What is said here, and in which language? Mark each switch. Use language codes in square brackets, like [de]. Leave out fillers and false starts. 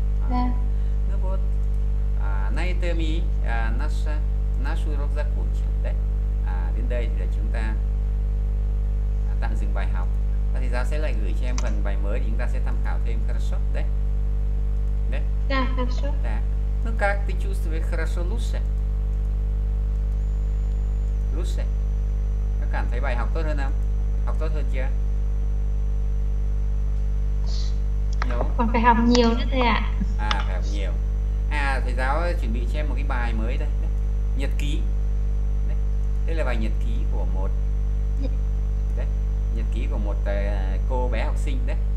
[vi] Dạ. Nó vô à, nay tôi mi nasa nasa ra cuốn đấy. À, đến đây thì là chúng ta tạm dừng bài học. Và thì ta sẽ lại gửi cho em phần bài mới thì chúng ta sẽ tham khảo thêm một số đấy. Đấy. Dạ, thật sự. Đấy. [ru] Ну как ты чувствуешь хорошо лучше? [vi] Lucy, có cảm thấy bài học tốt hơn không? Học tốt hơn chưa? No. Còn phải học nhiều nữa thầy ạ. À, phải học nhiều. À, thầy giáo chuẩn bị cho em một cái bài mới đây, đây. Nhật ký. Đây là bài nhật ký của một đấy, nhật ký của một cô bé học sinh đấy.